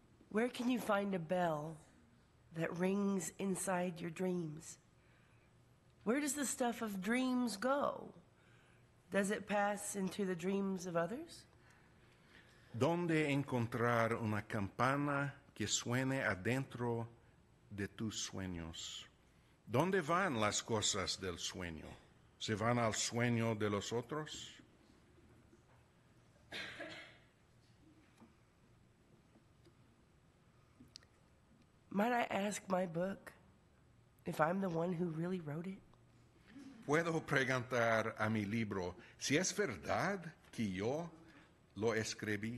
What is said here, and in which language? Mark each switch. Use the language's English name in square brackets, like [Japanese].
[English] Where can you find a bell that rings inside your dreams? Where does the stuff of dreams go? Does it pass into the dreams of others? [Spanish] ¿Dónde encontrar una campana que suene adentro de tus sueños? ¿Dónde van las cosas del sueño? ¿Se van al sueño de los otros? [English] Might I ask my book if I'm the one who really wrote it? [Spanish] ¿Puedo preguntar a mi libro si es verdad que yo lo escribí?